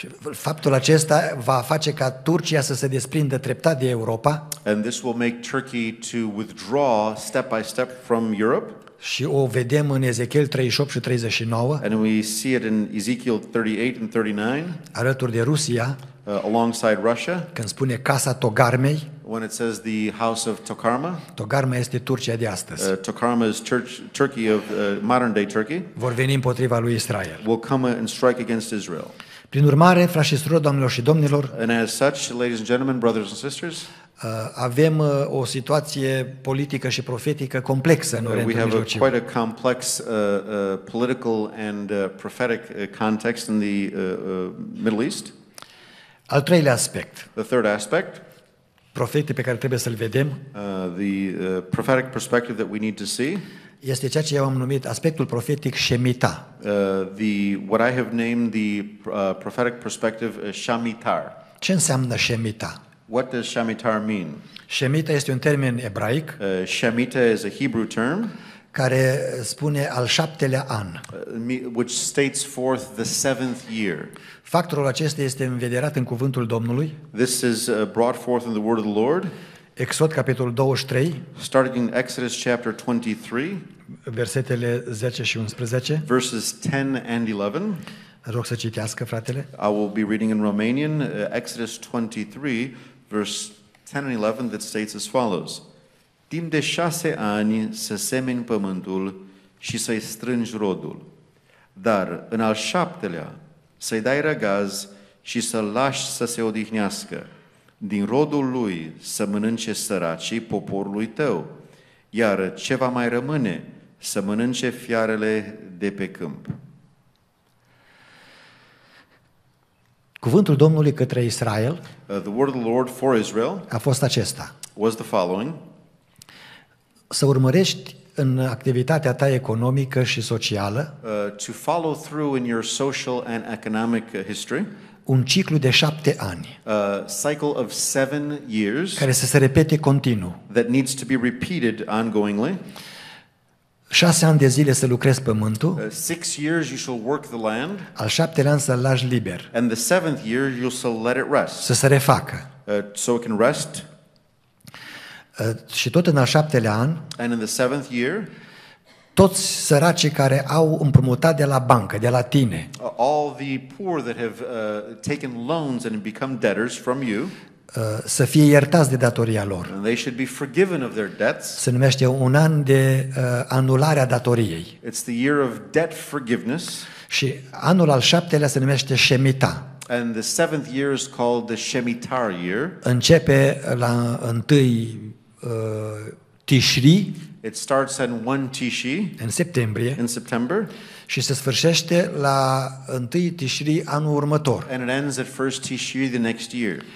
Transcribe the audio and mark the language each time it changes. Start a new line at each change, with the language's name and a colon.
Romanian: Faptul acesta va face ca Turcia să se desprindă treptat de Europa.
English: And this will make Turkey to withdraw step by step from Europe.
Romanian: Și o vedem în Ezechiel 38 și 39.
English: And we see it in Ezekiel 38 and 39.
Romanian: Alături de Rusia.
English: Alongside Russia.
Romanian: Când spune casa Togarmei.
English: When it says the house of Tokarma.
Romanian: Togarma este Turcia de astăzi.
English: Tokarma is Turkey of modern day Turkey.
Romanian: Vor veni împotriva lui Israel.
English: Will come and strike against Israel.
Romanian: Prin urmare, frați și surori, doamnelor și domnilor,
English: and as such, ladies and gentlemen, brothers and sisters,
Romanian: avem o situație politică și profetică complexă în Orientul Mijlociu.
English: We have quite a complex political and prophetic context in the Middle East.
Romanian: Al treilea aspect.
English: The third aspect.
Romanian: Profetii pe care trebuie să-l vedem.
English: The prophetic perspective that we need to see.
Romanian: Este ceea ce eu am numit aspectul profetic Shemitah.
English: What I have named the prophetic perspective Shemitar.
Romanian: Ce înseamnă Shemitah?
English: What does Shemitar mean?
Romanian: Shemitah este un termen ebraic.
English: Shemitah is a Hebrew term.
Romanian: Care spune al șaptelea an.
English: Which states forth the seventh year.
Romanian: Factorul acesta este învederat în cuvântul Domnului.
English: This is brought forth in the word of the Lord.
Romanian: Exod capitolul 23.
English: Starting in Exodus chapter 23.
Romanian: Versetele 10 și 11.
English: Verses 10 and 11.
Romanian: Rog să citească, fratele.
English: I will be reading in Romanian, Exodus 23, verse 10 and 11, that states as follows.
Romanian: Timp de 6 ani să semeni pământul și să-i strângi rodul, dar în al șaptelea să-i dai răgaz și să-l lași să se odihnească. Din rodul lui să mănânce săracii poporului tău, iar ce va mai rămâne, să mănânce fiarele de pe câmp. Cuvântul Domnului către Israel,
English: the word of the Lord for Israel,
Romanian: a fost acesta.
English: Was the following.
Romanian: Să urmărești în activitatea ta economică și socială,
English: to follow through in your social and economic history,
Romanian: un ciclu de 7 ani.
English: A cycle of 7 years.
Romanian: Care să se repete continuu.
English: That needs to be repeated ongoingly.
Romanian: 6 ani de zile să lucrezi pământul.
English: 6 years you shall work the land.
Romanian: Al 7-lea an să-l lași liber.
English: And the 7th year you shall let it rest.
Romanian: Să se refacă.
English: So it can rest.
Romanian: Și tot în al 7-lea an.
English: And in the 7th year.
Romanian: Toți săracii care au împrumutat de la bancă, de la tine.
English: All the poor that have taken loans and become debtors from you.
Romanian: Să fie iertați de datoria lor.
English: They should be forgiven of their debts.
Romanian: Se numește un an de anulare a datoriei.
English: It's the year of debt forgiveness.
Romanian: Și anul al 7-lea se numește Shemitah.
English: And the 7th year is called the Shemitar year.
Romanian: Începe la 1 Tishri.
English: It starts on 1 Tishri.
Romanian: În septembrie.
English: In September.
Romanian: Și se sfârșește la 1 Tishri anul următor.
English: And it ends at 1 Tishri the next year.